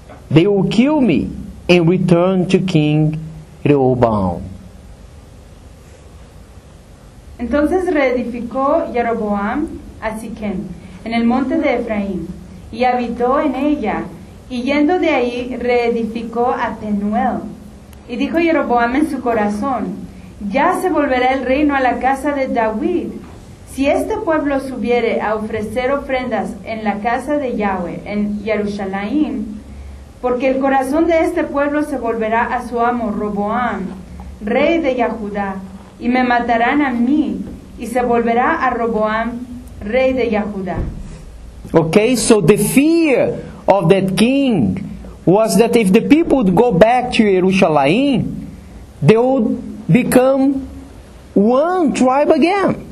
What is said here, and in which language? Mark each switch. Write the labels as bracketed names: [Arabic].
[English] They will kill me and return to King Rehoboam. [Spanish] Entonces reedificó Jeroboam a Siquem en el monte de Efraín y habitó en ella. Y yendo de ahí, reedificó a Penuel. Y dijo Jeroboam en su corazón, ya se volverá el reino a la casa de David. Si este pueblo subiere a ofrecer ofrendas en la casa de Yahweh, en Jerusalén, porque el corazón de este pueblo se volverá a su amo, Roboam, rey de Yahudá, y me matarán a mí, y se volverá a Roboam, rey de Yahudá. [English] Okay, so the fear of that king was that if the people would go back to Jerusalem, they would become one tribe again.